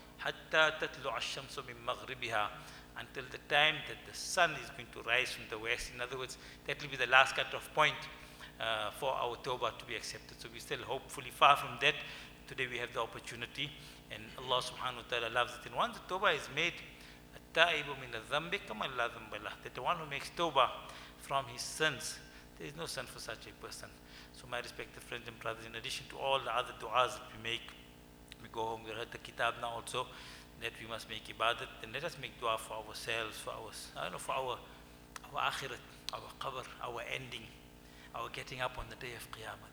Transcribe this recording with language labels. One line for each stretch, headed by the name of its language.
Arabic: حَتَّى تَتْلُعَ الشَّمْسُ مِن مَغْرِبِهَا.
English: Until the time that the sun is going to rise from the west. In other words, that will be the last cut-off point for our tawbah to be accepted. So we're still hopefully far from that. Today we have the opportunity, and Allah subhanahu wa ta'ala loves it. And once the tawbah is made, a
Arabic: تائب من الذنب كما لا ذنب له.
English: That the one who makes توبة from his sins, there is no sin for such a person. So my respected friends and brothers, in addition to all the other du'as that we make, we go home, we read the kitab now also, that we must make ibadat, then let us make du'a for ourselves, for our, I don't know, for our akhirat, our qabr, our ending, our getting up on the day of qiyamah.